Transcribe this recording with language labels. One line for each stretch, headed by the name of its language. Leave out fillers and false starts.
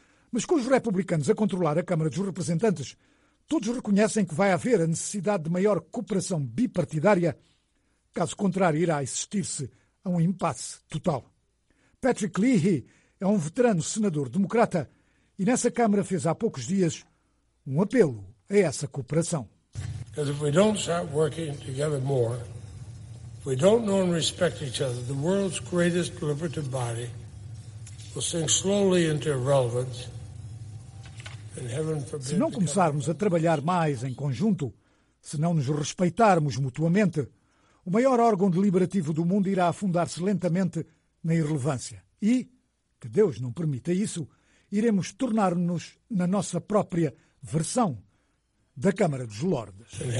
Portuguese: Mas com os republicanos a controlar a Câmara dos Representantes, todos reconhecem que vai haver a necessidade de maior cooperação bipartidária, caso contrário irá existir-se a um impasse total. Patrick Leahy é um veterano senador democrata e nessa Câmara fez há poucos dias um apelo a essa cooperação.
English: Because if we don't start working together more, if we don't know and respect each other, the world's greatest deliberative body will sink slowly into irrelevance.
Portuguese: Se não começarmos a trabalhar mais em conjunto, se não nos respeitarmos mutuamente, o maior órgão deliberativo do mundo irá afundar-se lentamente na irrelevância. E, que Deus não permita isso, iremos tornar-nos na nossa própria versão da Câmara dos Lordes.